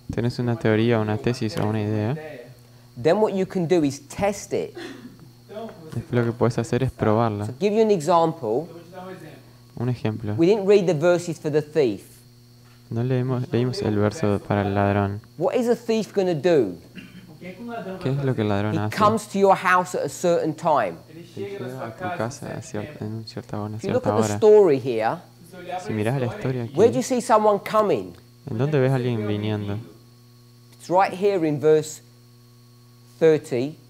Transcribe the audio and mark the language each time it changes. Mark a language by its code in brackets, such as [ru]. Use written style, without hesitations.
[es] Tienes una teoría, una tesis o una idea. [en] Then what you can do is test it. [es] Después lo que puedes hacer es probarla. [en] So give you an example. [es] Un ejemplo. [en] We didn't read the verses for the thief. [es] No leemos, leímos el verso para el ladrón. [en] What is a thief going to do? [es] ¿Qué es lo que el ladrón hace? [en] He comes to your house at a certain time. [es] Llega a tu casa a cierta hora. [en] If you look at the story here, [es] si miras la historia aquí, [en] where do you see someone coming? [es] ¿En dónde ves a alguien viniendo? [en] It's right here in verse 30.